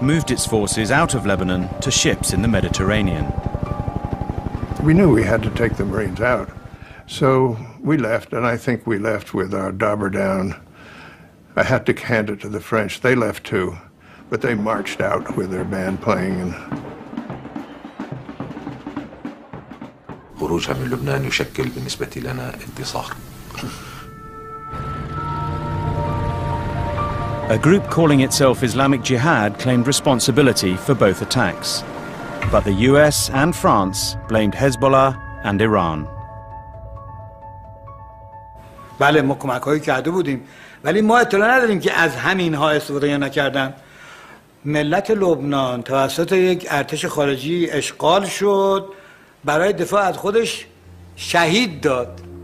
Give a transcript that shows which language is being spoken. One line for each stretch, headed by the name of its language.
English: moved its forces out of Lebanon to ships in the Mediterranean. We knew we had to take the Marines out. So we left, and I think we left with our dobber down. I had to hand it to the French. They left too. But they marched out with their band playing.
Arabic: خروجها من لبنان يشكل بالنسبة لنا انتصار.
English: A group calling itself Islamic Jihad claimed responsibility for both attacks. But the US and France blamed Hezbollah and Iran.
Persian: بله ما کمک‌هایی کرده بودیم ولی ما اطلاع نداریم که از همین ها استفاده نکردن. ملت لبنان توسط یک ارتش خارجی اشغال شد برای دفاع از خودش شهید داد.